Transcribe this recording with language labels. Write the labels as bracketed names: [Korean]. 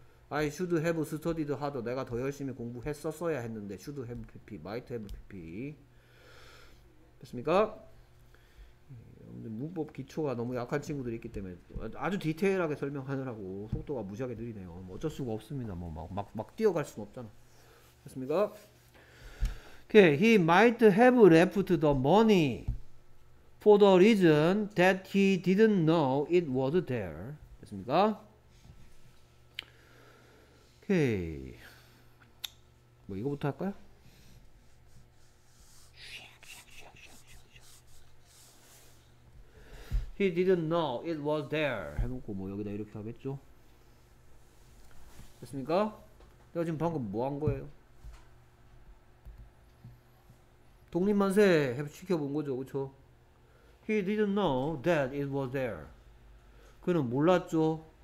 [English] I should have studied harder. [Korean] 내가 더 열심히 공부했었어야 했는데 should have PP, might have PP. 됐습니까? 문법 기초가 너무 약한 친구들이 있기 때문에 아주 디테일하게 설명하느라고 속도가 무지하게 느리네요. 어쩔 수가 없습니다. 뭐막막막 뛰어갈 수는 없잖아. 됐습니까? [English] Okay, he might have left the money for the reason that he didn't know it was there. [Korean] 됐습니까? 오케이. 뭐 이거부터 할까요? [English] 쉿, 쉿, 쉿, 쉿, 쉿. He didn't know it was there. [Korean] 해놓고 뭐 여기다 이렇게 하겠죠. 됐습니까? 내가 지금 방금 뭐한 거예요? 독립만세 해 시켜본 거죠, 그쵸? [English] He didn't know that it was there. [Korean] 그는 몰랐죠.